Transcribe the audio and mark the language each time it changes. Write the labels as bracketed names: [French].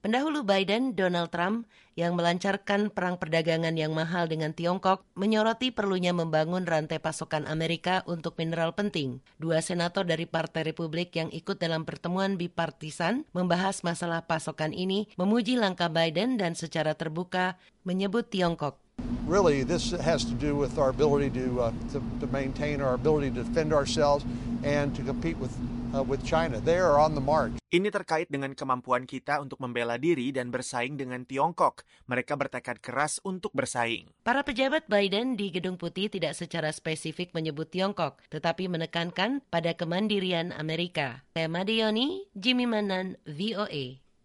[Indonesian] Pendahulu Biden, Donald Trump, yang melancarkan perang perdagangan yang mahal dengan Tiongkok, menyoroti perlunya membangun rantai pasokan Amerika untuk mineral penting. 2 senator dari Partai Republik yang ikut dalam pertemuan bipartisan membahas masalah pasokan ini, memuji langkah Biden dan secara terbuka menyebut Tiongkok. [English] Really, this has to do with our ability to maintain our ability to defend ourselves and to compete with China. They are on the march. [Indonesian] Ini terkait dengan kemampuan kita untuk membela diri dan bersaing dengan Tiongkok. Mereka bertekad keras untuk bersaing. Para pejabat Biden di Gedung Putih tidak secara spesifik menyebut Tiongkok, tetapi menekankan pada kemandirian Amerika. Saya Madioni, Jimmy Manan, VOA.